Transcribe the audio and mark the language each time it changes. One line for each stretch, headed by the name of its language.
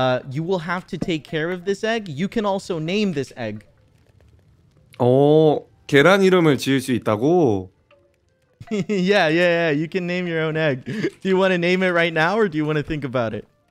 English: You will have to take care of this egg. You can also name this egg.
Korean: 계란 이름을 지을 수 있다고?
English: Yeah, yeah, yeah. You can name your own egg. Do you want to name it right now or do you want to think about it?